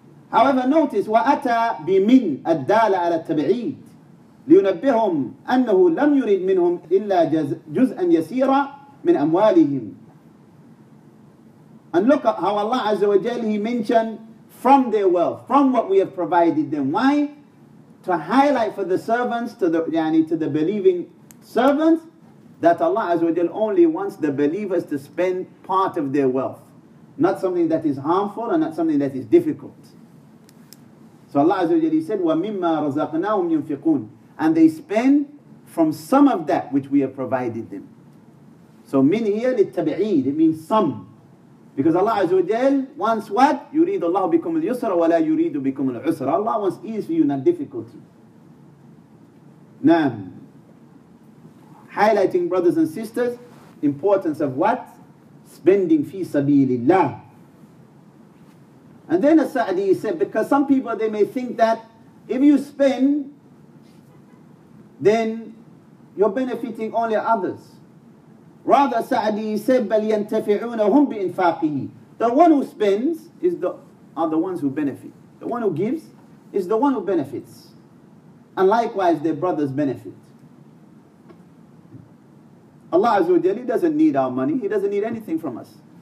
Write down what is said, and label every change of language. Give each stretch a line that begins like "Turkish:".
English: However, notice
Arabic: وَأَتَى بِمِنْ أَدَّالَ عَلَى التَّبْعِيدِ لِيُنَبِّهُمْ أَنَّهُ لَمْ يُرِدْ مِنْهُمْ إِلَّا جُزْءًا يَسِيرًا مِنْ أَمْوَالِهِمْ.
English: And look at how Allah Azza wa Jalla, he mentioned from their wealth, from what we have provided them. Why? To highlight for the servants, to the believing servants, that Allah Azza wa Jalla only wants the believers to spend part of their wealth. Not something that is harmful and not something that is difficult. So Allah Azza wa Jalla said,
Arabic: وَمِمَّا رَزَقْنَاهُمْ يُنْفِقُونَ.
English: And they spend from some of that which we have provided them.
Arabic: So مِنْ هِيَ لِلْتَبْعِيدِ.
English: It means some. Because Allah Azza wa Jalla wants what?
Arabic: يُرِيدُ اللَّهُ بِكُمُ الْيُسْرَ وَلَا يُرِيدُ بِكُمُ الْعُسْرَ.
English: Allah wants ease for you, not difficulty.
Arabic: نعم.
English: Highlighting, brothers and sisters, importance of what? Spending fi سَبِيلِ اللَّهِ. And then As-Sa'di said, because some people, they may think that if you spend, then you're benefiting only others. Rather, As-Sa'di said,
Arabic: بَلْ يَنْتَفِعُونَ هُمْ بِإِنْفَاقِهِ.
English: The one who spends are the ones who benefit. The one who gives is the one who benefits. And likewise, their brothers benefit. Allah Azza wa Jalla doesn't need our money. He doesn't need anything from us.